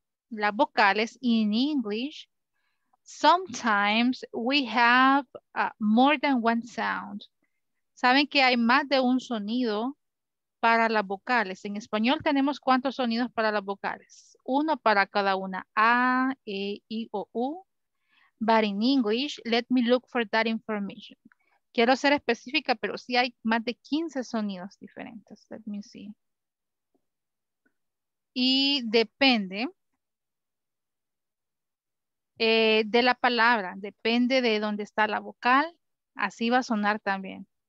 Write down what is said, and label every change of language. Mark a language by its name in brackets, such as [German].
[Spanish] Las vocales [English] in English, sometimes we have more than one sound. [Spanish] ¿Saben que hay más de un sonido para las vocales? En español tenemos ¿cuántos sonidos para las vocales? Uno para cada una. A, E, I, O, U. [English] But in English, let me look for that information. [Spanish] Quiero ser específica, pero sí hay más de 15 sonidos diferentes. [English] Let me see. [Spanish] Y depende. De la palabra, depende de dónde está la vocal, así va a sonar también.